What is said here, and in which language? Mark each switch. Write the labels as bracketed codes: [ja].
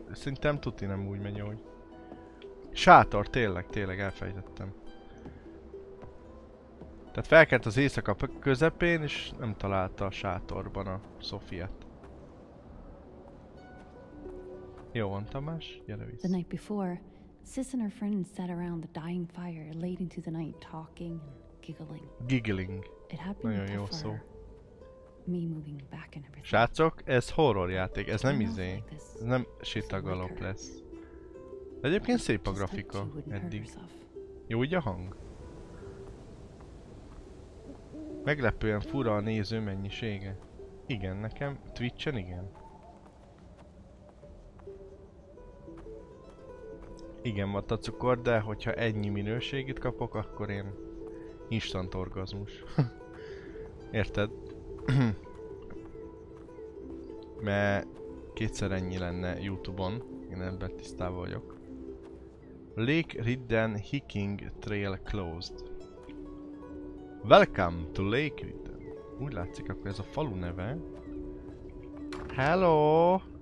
[hu] Szerintem tuti nem úgy megy, hogy... Sátor, tényleg elfelejtettem. Tehát felkelt az éjszaka közepén, és nem találta a sátorban a Sofiát. Jó van, Tamás, gyere vissza. [en] The night before, Sis and her friends sat around the dying fire late into the night talking and giggling. Giggling. It happened [hu] nagyon jó szó. [en] Me moving back and everything. [hu] Srácok, ez horror játék, ez nem izé. Ez nem sétagalop lesz. De egyébként szép a grafika eddig. Jó ugye a hang? Meglepően fura a néző mennyisége. Igen, nekem Twitch-en igen. Igen, volt a cukor, de hogyha ennyi minőségét kapok, akkor én instant orgazmus. Érted? Mert kétszer ennyi lenne YouTube-on, én ebben tisztában vagyok. [en] Lake Ridden Hiking Trail Closed. Welcome to Lake Ridden. [hu] Úgy látszik, akkor ez a falu neve. Hello!